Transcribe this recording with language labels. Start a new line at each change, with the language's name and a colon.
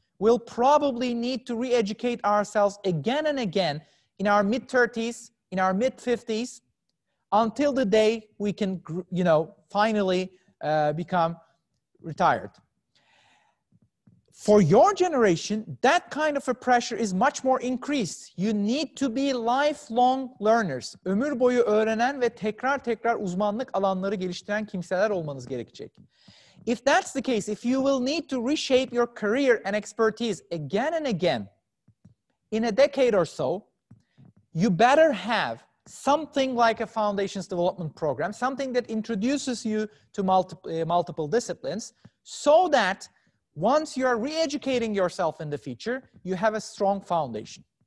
English: We'll probably need to re-educate ourselves again and again in our mid-30s, in our mid-50s, until the day we can, you know, finally become retired. For your generation, that kind of a pressure is much more increased. You need to be lifelong learners.
Turkish: Ömür boyu öğrenen ve tekrar tekrar uzmanlık alanları geliştiren kimseler olmanız gerekecek.
English: If that's the case, if you will need to reshape your career and expertise again and again, in a decade or so, you better have something like a foundations development program, something that introduces you to multiple disciplines, so that once you are re-educating yourself in the future, you have a strong foundation.